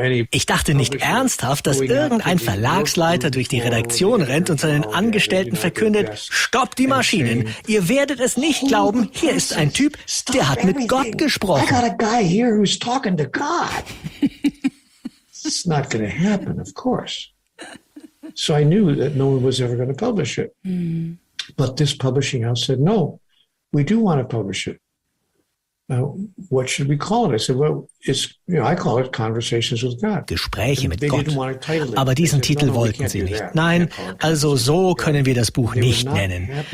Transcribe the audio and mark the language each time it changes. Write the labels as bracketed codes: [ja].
[de] Ich dachte nicht ernsthaft, dass irgendein Verlagsleiter durch die Redaktion rennt und seinen Angestellten verkündet, stopp die Maschinen, ihr werdet es nicht glauben, hier ist ein Typ, der hat mit Gott gesprochen. [en] I got a guy here who's talking to God. It's not going to happen, of course. So I knew that no one was ever going to publish it. But this publishing house said, no, we do want to publish it. What should we call it? I said, well, it's, you know, I call it Conversations with God. [de] Gespräche mit Gott. Aber diesen Titel wollten sie nicht. Nein, also so können wir das Buch nicht nennen.